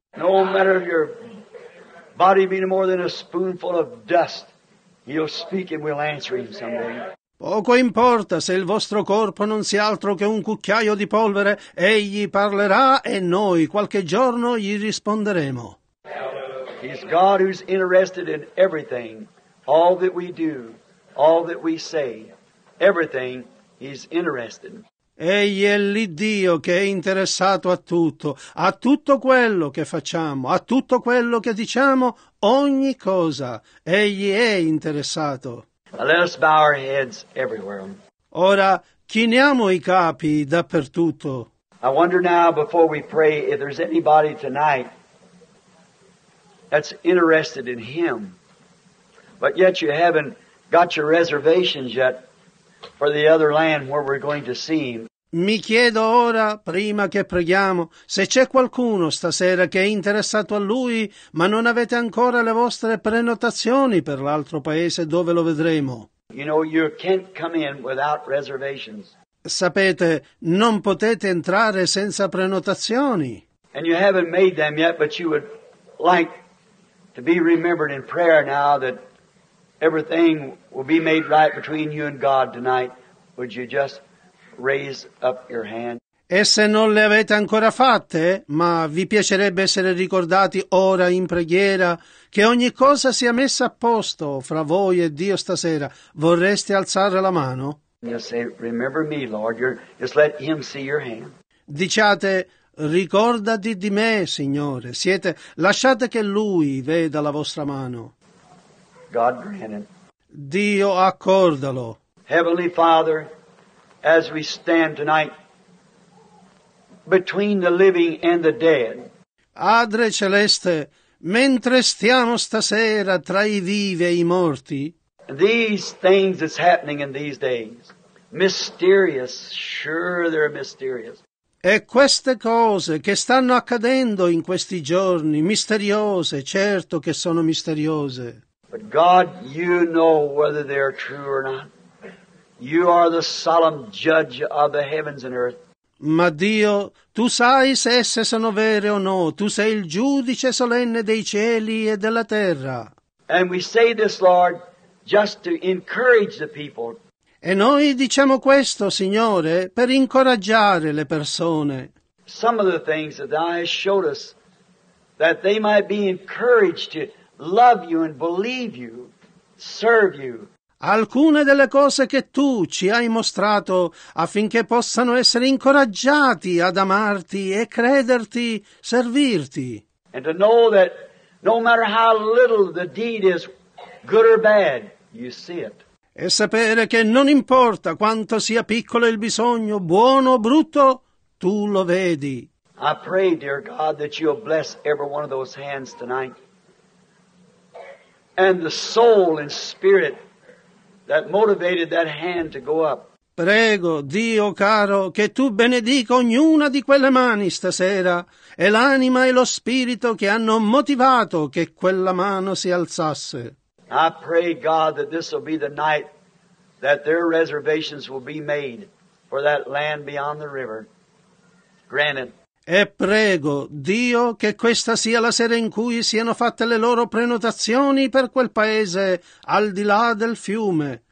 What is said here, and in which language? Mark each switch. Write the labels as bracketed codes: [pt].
[en] No matter your body being more than a spoonful of dust, he'll speak and we'll answer him someday. [it] Poco importa se il vostro corpo non sia altro che un cucchiaio di polvere, egli parlerà e noi qualche giorno gli risponderemo. [en] He's God who's interested in everything, all that we do, all that we say, everything he's interested. [it] Egli è lì Dio che è interessato a tutto quello che facciamo, a tutto quello che diciamo, ogni cosa, egli è interessato. [en] Let us bow our heads everywhere. [it] Ora, chiniamo i capi dappertutto. [en] I wonder now, before we pray, if there's anybody tonight that's interested in him, but yet you haven't got your reservations yet for the other land where we're going to see him. [it] Mi chiedo ora, prima che preghiamo, se c'è qualcuno stasera che è interessato a lui, ma non avete ancora le vostre prenotazioni per l'altro paese dove lo vedremo. [en] You know, you can't come in without reservations. [it] Sapete, non potete entrare senza prenotazioni. [en] And you haven't made them yet, but you would like to be remembered in prayer now that everything will be made right between you and God tonight. Would you just raise up your hand. [it] E se non le avete ancora fatte, ma vi piacerebbe essere ricordati ora in preghiera che ogni cosa sia messa a posto fra voi e Dio stasera, vorreste alzare la mano? [en] You say, remember me, Lord. Just let him see your hand. [it] Diciate, ricordati di me, Signore. Siete, lasciate che lui veda la vostra mano. [en] God grant it. [it] Dio accordalo. [en] Heavenly Father, as we stand tonight between the living and the dead. [it] Padre celeste, mentre stiamo stasera tra i vivi e i morti, [en] these things that's happening in these days, mysterious, sure they're mysterious. [it] E queste cose che stanno accadendo in questi giorni, misteriose, certo che sono misteriose. [en] But God, you know whether they are true or not. You are the solemn judge of the heavens and earth. [it] Ma Dio, tu sai se esse sono vere o no. Tu sei il giudice solenne dei cieli e della terra. [en] And we say this, Lord, just to encourage the people. [it] E noi diciamo questo, Signore, per incoraggiare le persone. [en] Some of the things that Thou hast showed us, that they might be encouraged to love You and believe You, serve You. [it] Alcune delle cose che Tu ci hai mostrato affinché possano essere incoraggiati ad amarti e crederti, servirti. [en] And to know that no matter how little the deed is, good or bad, You see it. [it] E sapere che non importa quanto sia piccolo il bisogno, buono o brutto, Tu lo vedi. [en] I pray, dear God, that You'll bless every one of those hands tonight. And the soul and spirit that motivated that hand to go up. [it] Prego, Dio caro, che Tu benedica ognuna di quelle mani stasera e l'anima e lo spirito che hanno motivato che quella mano si alzasse. [en] I pray, God, that this will be the night that their reservations will be made for that land beyond the river. Grant it. [it] E prego, Dio, che questa sia la sera in cui siano fatte le loro prenotazioni per quel paese al di là del fiume.